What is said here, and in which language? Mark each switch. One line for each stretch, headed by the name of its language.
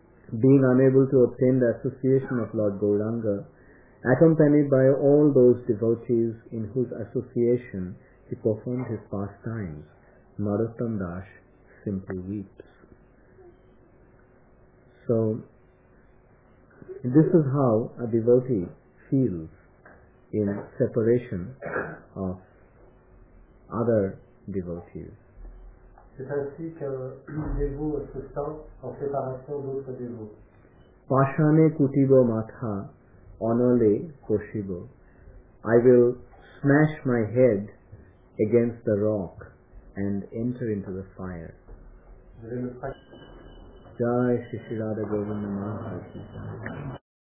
English: Being unable to obtain the association of Lord Gauranga, accompanied by all those devotees in whose association he performed his pastimes, Narottam Das simply weeps. So, this is how a devotee feels in separation of other devotees.
French: C'est ainsi qu'un dévot se sent en séparation d'autres dévots.
Bangla: Pashane kutibo matha anale koshibo.
English: I will smash my head against the rock and enter into the fire.
Hindi: Jai Shri Shri Radha Govinda Maharaji.